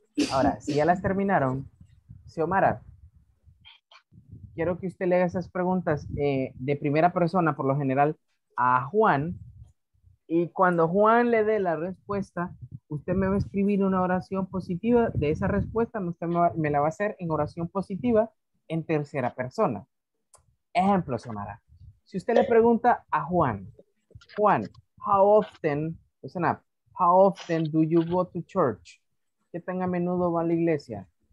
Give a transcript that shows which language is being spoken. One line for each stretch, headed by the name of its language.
Spanish: Ahora, si ya las terminaron, Xiomara, quiero que usted le haga esas preguntas de primera persona, por lo general, a Juan. Y cuando Juan le dé la respuesta, usted me va a escribir una oración positiva de esa respuesta. Usted me la va a hacer en oración positiva en tercera persona. Ejemplo, Xiomara. Si usted le pregunta a Juan, Juan,
English: how often, listen up, how often do you go to church?
Spanish: ¿Qué tan a menudo va a la iglesia?